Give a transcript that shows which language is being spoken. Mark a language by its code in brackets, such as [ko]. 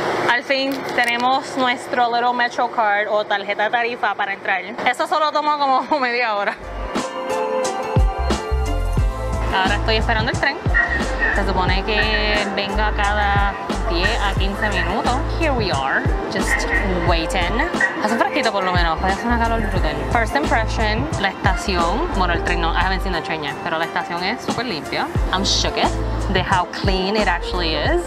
[es] Al fin tenemos nuestro [en] little metro card [es] o tarjeta de tarifa para entrar. Eso solo tomó como media hora. Ahora estoy esperando el tren. Se supone que venga cada 10 a 15 minutos. [en] Here we are, just waiting. [es] Hace un fresquito por lo menos, hace una calor brutal. [en] First impression, [es] la estación. Bueno, el tren no, [en] I haven't seen the train yet, [es] pero la estación es súper limpia. [en] I'm shook it, [es] de [en] how clean it actually is.